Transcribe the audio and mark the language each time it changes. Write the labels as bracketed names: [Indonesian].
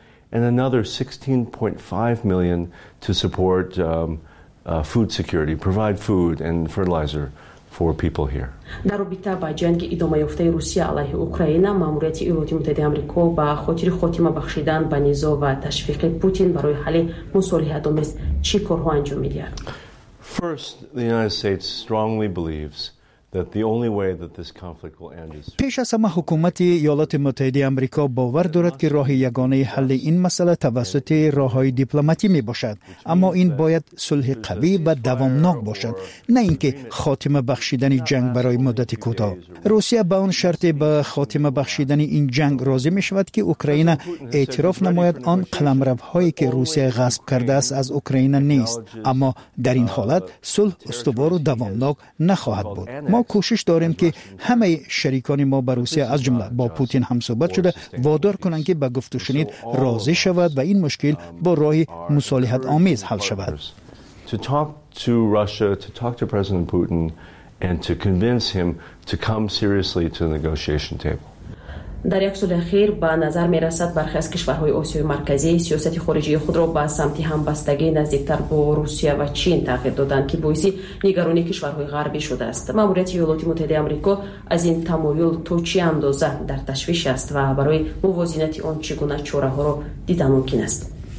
[English] And another 16.5 million to support food security, provide food and fertilizer for people here. [Persian] در رابطه با جنگ ادامه یافته روسیه علیه اوکراین، ماموریت ایالات متحده آمریکا با خاطر خاتمه بخشیدن به نزاع و تشویق پوتین برای حل مصالحه دامز چی کارها انجام می‌دهد؟ [English] First, the United States strongly believes that the only way that this conflict will end is [Persian] پیش از همه حکومت ایالات متحده آمریکا باور دارد که راه یگانه حل این مسئله توسط راه‌های دیپلماتی میباشد، اما این باید صلح قوی و دوامناک باشد، نه اینکه خاتمه بخشیدن جنگ برای مدت کوتاه. روسیه به آن شرط به خاتمه بخشیدن این جنگ راضی میشود که اوکراین اعتراف نماید آن قلمروهایی که روسیه غصب کرده است از اوکراین نیست، اما در این حالت صلح استوار و دوامناک نخواهد بود. ما کوشش داریم که همه شریکان ما به روسیه، از جمله با پوتین هم صحبت شده، وادار کنند که به گفت و شنید راضی شود و این مشکل با راه مصالحت آمیز حل شود. [English] To talk to Russia, to talk to President Putin and to convince him to come seriously to the negotiation table. [Persian] در یک سال اخیر به نظر می رسد برخی از کشورهای آسیای مرکزی سیاست خارجی خود را به سمت همبستگی نزدیکتر با روسیه و چین تغییر دادند که باعث نگرانی کشورهای غربی شده است. ماموریت ایالات متحده آمریکا از این تمایل تا چه اندازه در تشویش است و برای موازنت آن چگونه چاره ها را دیدن ممکن است؟